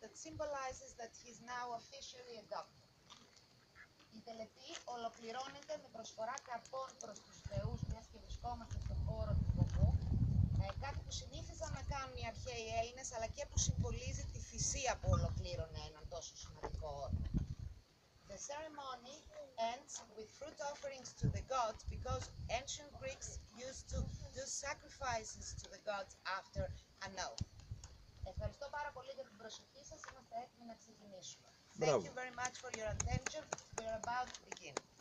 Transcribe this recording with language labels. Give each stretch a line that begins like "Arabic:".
English: Symbolizes that he is now officially a doctor.
Greek: Η τελετή ολοκληρώνεται με προσφορά καρπών προς τους θεούς, μιας και βρισκόμαστε στον χώρο του ποπού, κάτι που συνήθιζαν να κάνουν οι αρχαίοι Έλληνες, αλλά και που συμβολίζει τη θυσία που ολοκλήρωνε έναν τόσο σημαντικό όρο.
English: The ceremony ends with fruit offerings to the gods, because ancient Greeks used to do sacrifices to the gods after an oath.
Greek: Ευχαριστώ πάρα πολύ για την προσοχή σας. Είμαστε έτοιμοι να ξεκινήσουμε. Μπράβο.
English: Thank you very much for your attention. We are about to begin.